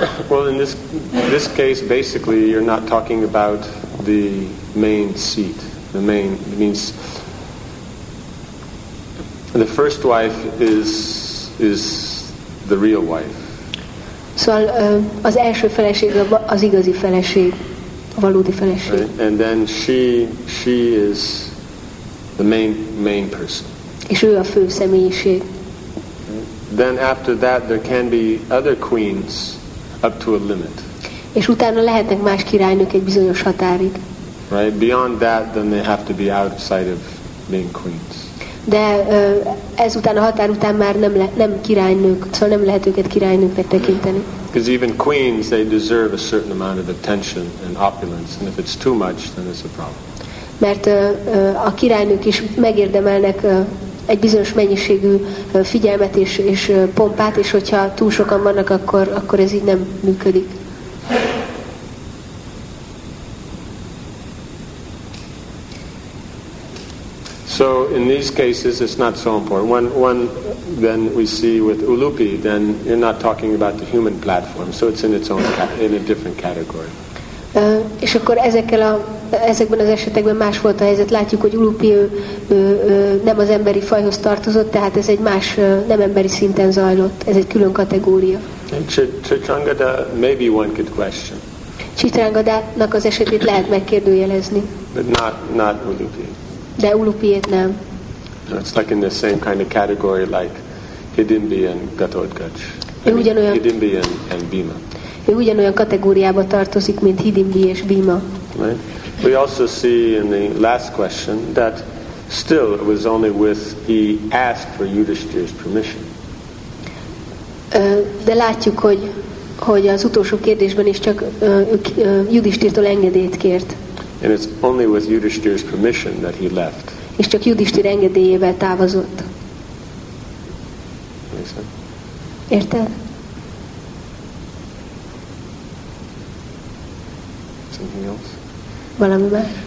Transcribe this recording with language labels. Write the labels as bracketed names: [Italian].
[English] Well, in this case, basically, you're not talking about the main seat. It means the first wife is the real wife. [Hungarian] Szóval az első feleség az igazi feleség, a valódi feleség. [English] Right? And then she is the main person. [Hungarian] És ő a fő személyiség. [English] Then after that, there can be other queens up to a limit. [Hungarian] És utána lehetnek más királynők egy bizonyos határig. [English] Right? Beyond that, then they have to be outside of being queens. [Hungarian] De ezután a határ után már nem királynők, szóval nem lehet őket királynőknek tekinteni. [English] Because even queens, they deserve a certain amount of attention and opulence, and if it's too much, then it's a problem. [Hungarian] Mert a királynők is megérdemelnek egy bizonyos mennyiségű figyelmet és pompát, és hogyha túl sokan vannak, akkor ez így nem működik. [English] So in these cases it's not so important. One then we see with Ulupi, then you're not talking about the human platform, so it's in its own in a different category. [Hungarian] És akkor ezekben az esetekben más volt a helyzet. Látjuk, hogy Ulupi nem az emberi fajhoz tartozott, tehát ez egy más, nem emberi szinten zajlott. Ez egy külön kategória. [English] Chitrangada, maybe one could question. [Hungarian] Chitrangadának az esetét lehet megkérdőjelezni. [English] But not Ulupi. [Hungarian] De Ulupiét nem. [English] No, it's like in the same kind of category like Hidimbi and Gatotkacs. Hidimbi and Bhima. [Hungarian] Ő ugyanolyan kategóriába tartozik, mint Hidimbi és Bhima. [English] Right? We also see in the last question that still it was only with he asked for Yudhishthira's permission. [Hungarian] De látjuk, hogy az utolsó kérdésben is csak Yudhishthirtól engedélyt kért. [English] And it's only with Yudhishthira's permission that he left. [Hungarian] És csak Yudhishthira engedélyével távozott. Érted? Valami más?